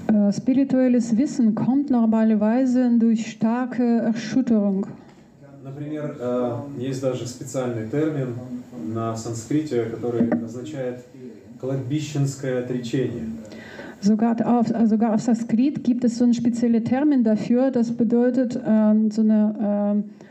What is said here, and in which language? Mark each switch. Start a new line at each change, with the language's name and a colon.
German: Spirituelles Wissen kommt normalerweise durch starke Erschütterung.
Russian: Например, есть даже специальный термин на санскрите, который означает кладбищенское отречение.
German: Sogar auf Sanskrit gibt es so einen speziellen Termin dafür, das bedeutet so eine